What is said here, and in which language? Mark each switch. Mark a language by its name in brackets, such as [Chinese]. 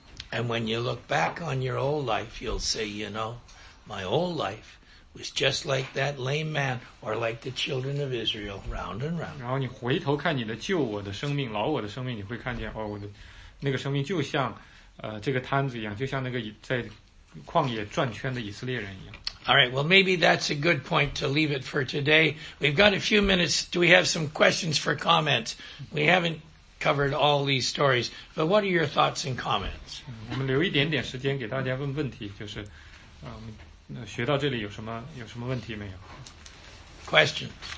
[English] And when you look back on your old life, you'll say, you know, my old life. Was just like that lame man, or like the children of Israel, round and round. [Chinese] 然后你回头看你的旧我的生命，老我的生命，你会看见哦，我的那个生命就像这个摊子一样，就像那个在旷野转圈的以色列人一样。 [English] All right, well, maybe that's a good point to leave it for today. We've got a few minutes. Do we have some questions for comments? We haven't covered all these stories, but what are your thoughts and comments? [Chinese] 我们留一点点时间给大家问问题，就是那学到这里有什么问题没有 [English] ？Question.